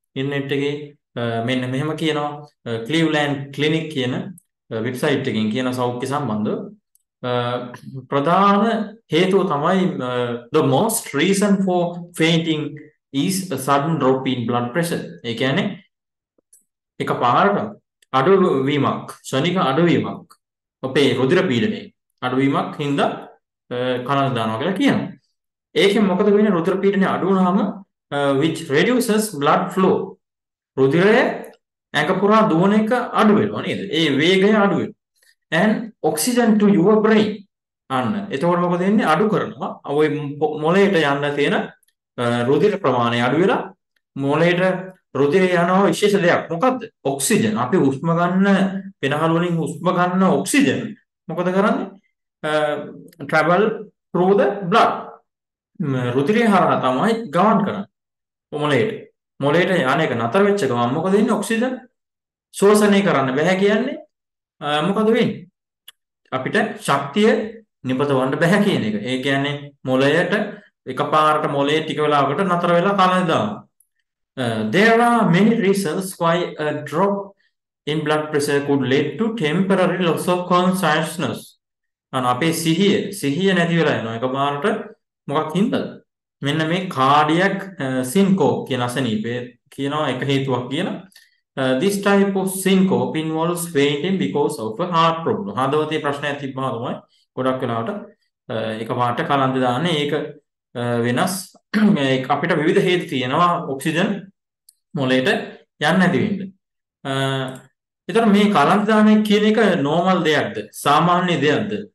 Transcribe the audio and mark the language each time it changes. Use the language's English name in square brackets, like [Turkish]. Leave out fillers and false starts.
[Sinhala] Internet එකේ මෙන්න මෙහෙම කියනවා, ක්ලීව්ලෑන්ඩ් ක්ලිනික් කියන වෙබ්සයිට් එකෙන් කියන සෞඛ්‍ය සම්බන්ධව ප්‍රධාන හේතුව තමයි [English] the most reason for fainting is a sudden drop in blood pressure. [Sinhala] ඒ කියන්නේ එක පාරට අඩුවීමක්, ක්ෂණික අඩුවීමක් අපේ රුධිර පීඩනයේ අඩුවීමක් හින්දා කලන්තේ දානවා කියලා කියනවා. ඒකෙන් මොකද වෙන්නේ? රුධිර පීඩනය අඩු වුණාම [English] which reduces blood flow, [Sinhala] රුධිරය ඇඟ පුරා දුවන එක අඩු වෙනවා නේද? ඒ වේගය අඩු වෙනවා. [English] And oxygen to your brain. [Sinhala] අන්න එතකොට මොකද වෙන්නේ? අඩු කරනවා ඔය මොළයට යන්න තියෙන රුධිර ප්‍රමාණය අඩු වෙලා මොළයට රුධිරය යනවා. විශේෂ දෙයක් මොකද්ද? ඔක්සිජන්. අපි හුස්ම ගන්න පෙනහළ වලින් හුස්ම ගන්න ඔක්සිජන් මොකද කරන්නේ? [English] travel through the blood, [Sinhala] රුධිරය හරහා තමයි ගමන් කරන්නේ මොළයට. මොළයට යන එක නතර වෙච්ච ගමන් මොකද වෙන්නේ? ඔක්සිජන් ශෝෂණය කරන්න බැහැ. කියන්නේ මොකද වෙන්නේ? අපිට ශක්තිය නිපදවන්න බැහැ කියන එක. ඒ කියන්නේ මොළයට එකපාරට මොළේ ටික වෙලාවකට නතර වෙලා කලන දාන. [English] There are many reasons why a drop in blood pressure could lead to temporary loss of consciousness. [Sinhala] අන්න අපේ සිහිය නැති වෙලා යනවා එකපාරට. මොකක් හින්දාද? මෙන්න මේ cardiac syncope කියන අසනීපය කියනවා එක හේතුවක් කියලා. [English] This type of syncope involves fainting because of a heart problem. [Sinhala] හදවතේ ප්‍රශ්නයක් තිබ්බම තමයි ගොඩක් වෙලාවට එකපාරට කලන්තේ දාන්නේ. ඒක වෙනස් අපිට විවිධ හේතු තියෙනවා ඔක්සිජන් මොළයට යන්නේ නැති වෙන්න. ඒතර මේ කලන්ත දානය කියන එක නෝමල් දෙයක්ද, සාමාන්‍ය දෙයක්ද?